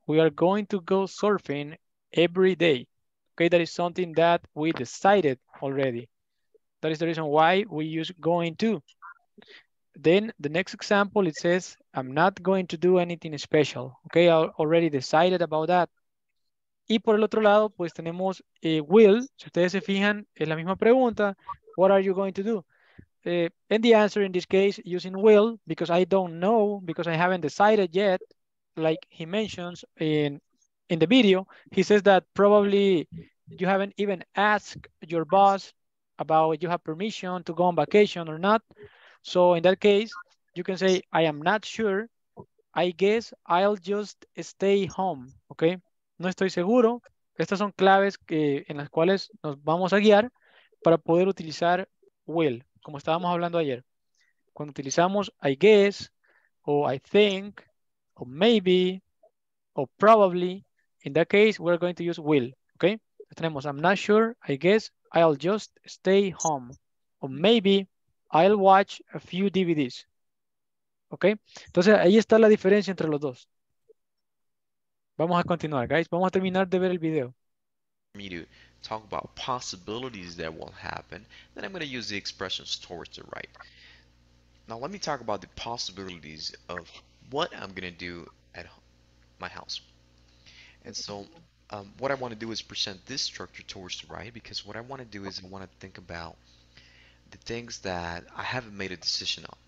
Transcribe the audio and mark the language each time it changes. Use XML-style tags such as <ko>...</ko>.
<en>We are going to go surfing every day, okay? That is something that we decided already. That is the reason why we use going to. Then the next example, it says, I'm not going to do anything special. Okay, I already decided about that.</en> <es>Y por el otro lado, pues tenemos will. Si ustedes se fijan, es la misma pregunta.</es> <en>What are you going to do? And the answer in this case, using will, because I don't know, because I haven't decided yet, like he mentions in the video, he says that probably you haven't even asked your boss about if you have permission to go on vacation or not. So in that case, you can say, I am not sure. I guess I'll just stay home, okay?</en> <es>No estoy seguro. Estas son claves que, en las cuales nos vamos a guiar para poder utilizar will, como estábamos hablando ayer. Cuando utilizamos</es> <en>I guess, o I think, o maybe, o probably, in that case, we're going to use will, okay?</en> <es>Tenemos,</es> <en>I'm not sure. I guess I'll just stay home, o maybe, I'll watch a few DVDs. ¿Ok?</en> <es>Entonces, ahí está la diferencia entre los dos. Vamos a continuar, guys. Vamos a terminar de ver el video.</es> <en>Me to talk about possibilities that will happen. Then I'm going to use the expressions towards the right. Now, let me talk about the possibilities of what I'm going to do at my house. And so, what I want to do is present this structure towards the right, because what I want to do is I want to think about the things that I haven't made a decision on.</en>